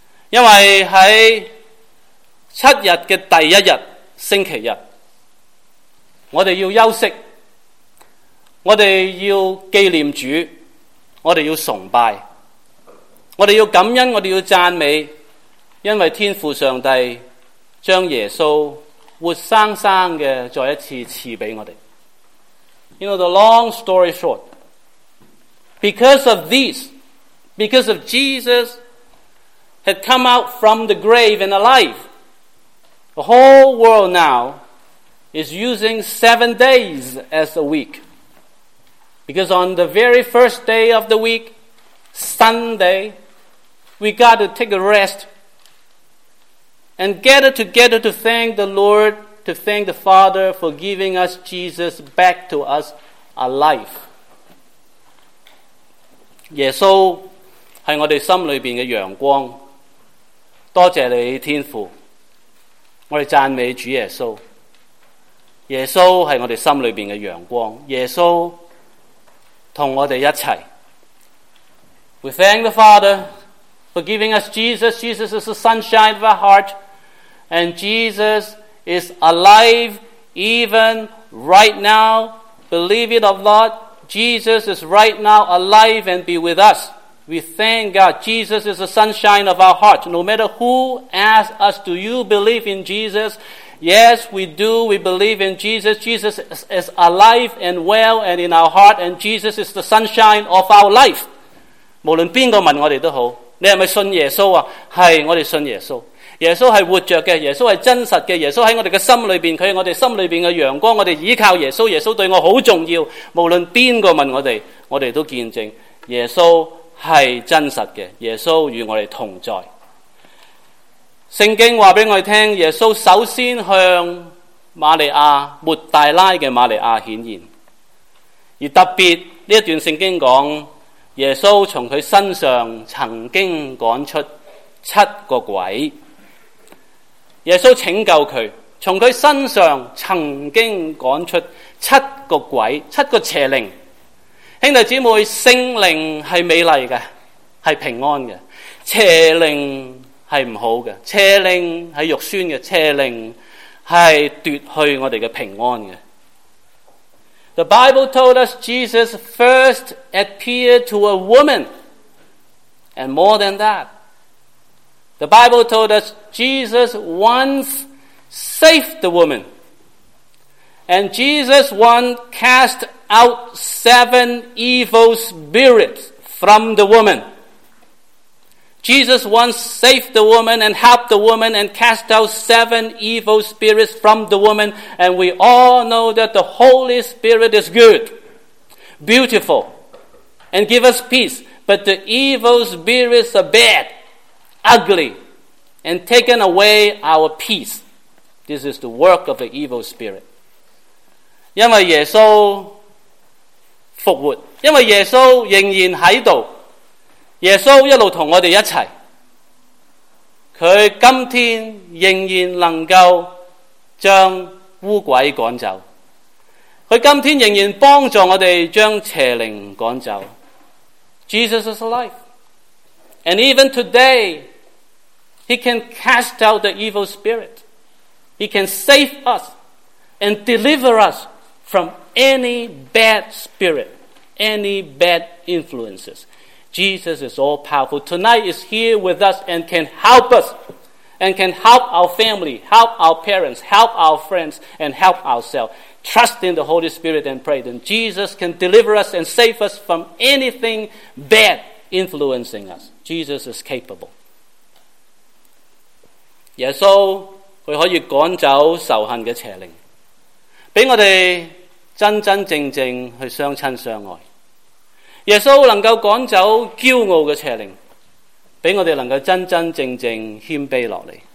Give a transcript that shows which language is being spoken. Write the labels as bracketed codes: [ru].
[zh] 因为在七日的第一日，星期日，我们要休息，我们要纪念主，我们要崇拜，我们要感恩，我们要赞美，因为天父上帝将耶稣活生生的再一次赐给我们。 [en] You know, the long story short, because of this, because of Jesus, had come out from the grave and alive. The whole world now is using 7 days as a week. Because on the very first day of the week, Sunday, we got to take a rest and gather together to thank the Lord, to thank the Father for giving us Jesus back to us alive. Yes, so [zh] 是我们心里面的阳光，多谢你天父，我们赞美主耶稣。耶稣是我们心里面的阳光，耶稣和我们一起。 [en] We thank the Father for giving us Jesus. Jesus is the sunshine of our heart, and Jesus is alive even right now. Believe it or not, Jesus is right now alive and be with us. We thank God. Jesus is the sunshine of our heart. No matter who asks us, do you believe in Jesus? Yes, we do. We believe in Jesus. Jesus is alive and well and in our heart. And Jesus is the sunshine of our life. [zh] 无论边个问我们都好，你是不是信耶稣啊？是，我们信耶稣。耶稣是活着的，耶稣是真实的，耶稣在我们的心里面，他是我们心里面的阳光，我们依靠耶稣，耶稣对我很重要。无论边个问我们都见证耶稣是真实的，耶稣与我们同在。圣经告诉我们，耶稣首先向玛利亚，抹大拉的玛利亚显现。而特别这段圣经说，耶稣从他身上曾经赶出7个鬼，耶稣拯救他，从他身上曾经赶出7个鬼，7个邪灵。兄弟姐妹，圣灵是美丽的，是平安的，邪灵是不好的，邪灵是肉酸的，邪灵是夺去我们的平安的。 [en] The Bible told us Jesus first appeared to a woman, and more than that, the Bible told us Jesus once saved the woman, and Jesus once cast out 7 evil spirits from the woman. Jesus once saved the woman and helped the woman and cast out 7 evil spirits from the woman. And we all know that the Holy Spirit is good, beautiful, and give us peace. But the evil spirits are bad, ugly, and taken away our peace. This is the work of the evil spirit. [zh] 因为耶稣复活，因为耶稣仍然在这里，耶稣一路同我们一起，他今天仍然能够将乌鬼赶走，他今天仍然帮助我们将邪灵赶走。 [en] Jesus is alive, and even today he can cast out the evil spirit, he can save us and deliver us from any bad spirit, any bad influences. Jesus is all powerful. Tonight is here with us and can help us, and can help our family, help our parents, help our friends, and help ourselves. Trust in the Holy Spirit and pray that Jesus can deliver us and save us from anything bad influencing us. Jesus is capable. [zh] 耶稣他可以赶走仇恨的邪灵，给我们真真正正去相亲相爱。耶稣能够赶走骄傲的邪灵，给我们能够真真正正谦卑下来。